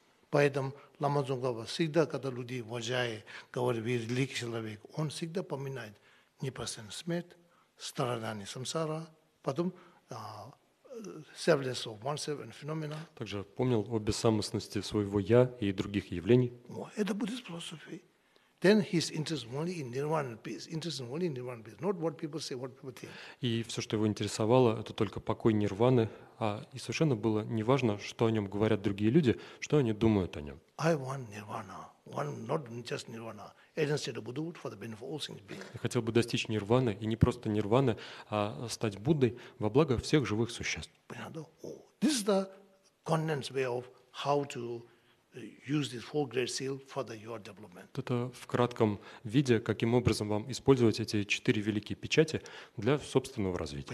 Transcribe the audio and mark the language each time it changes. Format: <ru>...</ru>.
<ru>Поэтому Лама Цзонгава всегда, когда люди уважают, говорят, вы великий человек, он всегда поминает непростую смерть, страдания самсара, потом</ru> <en>selfless of oneself and phenomena.</en> <ru>Также помнил о бессамостности своего я и других явлений. Это</ru> <en>Buddhist philosophy. Then he's interested only in nirvana and peace. Interested only in nirvana and peace. Not what people say, what people think.</en> <ru>И все, что его интересовало, это только покой нирваны, а и совершенно было неважно, что о нем говорят другие люди, что они думают о нем.</ru> <en>I want nirvana. One, not just nirvana.</en> <ru>Я хотел бы достичь нирваны, и не просто нирваны, а стать Буддой во благо всех живых существ. Понятно?</ru> <en>This is the condensed way of how to use this four great seal for the, your development.</en> <ru>Это в кратком виде, каким образом вам использовать эти четыре великие печати для собственного развития.</ru>